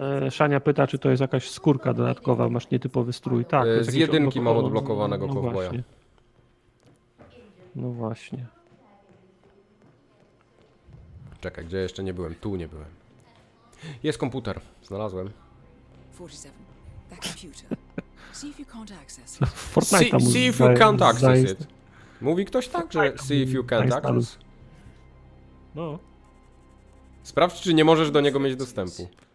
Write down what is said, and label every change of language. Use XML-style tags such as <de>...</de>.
<pl>Szania pyta, czy to jest jakaś skórka dodatkowa, masz nietypowy strój. Tak. Z jedynki mam odblokowanego kowboja. No właśnie. Czekaj, gdzie jeszcze nie byłem? Tu nie byłem. Jest komputer. Znalazłem. 47.</pl> <en>That computer. See if you can't access it. Fortnite. See if you can't access it.</en> <pl>Mówi ktoś tak, że</pl> <en>see if you can't access.</en> <pl>No. Sprawdź, czy nie możesz do niego mieć dostępu.</pl>